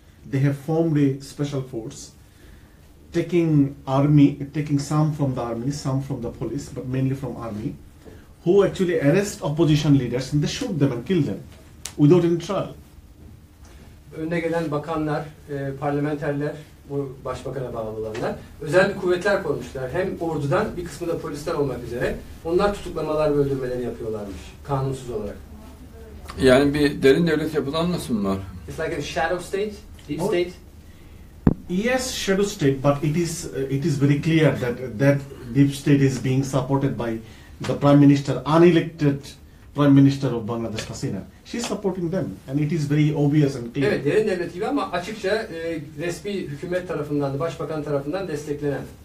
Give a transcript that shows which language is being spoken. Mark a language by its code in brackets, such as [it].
[en] They have formed a special force, taking some from the army, some from the police, but mainly from army, who actually arrest opposition leaders and they shoot them and kill them without any trial. [tr] Önde gelen bakanlar, parlamenterler, bu başbakana bağlı olanlar, özel bir kuvvetler kurmuşlar. Hem ordudan, bir kısmı da polisler olmak üzere. Onlar tutuklamalar ve öldürmeleri yapıyorlarmış, kanunsuz olarak. Yani bir derin devlet yapılanması mı var? [en] It's like a shadow state, deep state. Yes, shadow state, but it is very clear that deep state is being supported by the prime minister, unelected prime minister of Bangladesh, Hasina. She's supporting them, and it is very obvious and clear. [tr] Evet, derin devlet gibi ama açıkça resmi hükümet tarafından, başbakan tarafından desteklenen.